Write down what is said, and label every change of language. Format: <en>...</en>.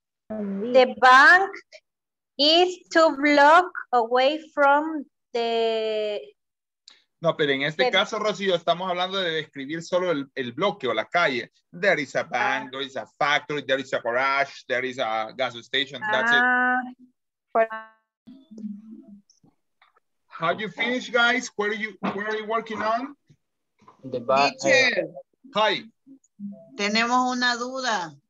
<en>The bank is two blocks away from the...</en> <es>No, pero en este caso, Rocío, estamos hablando de describir solo el bloque o la calle.</es> <en>There is a bank, there is a factory, there is a garage, there is a gas station, that's it. How do you finish, guys? Where are you working on? The back. Hi.</en> <es>Tenemos una duda.</es>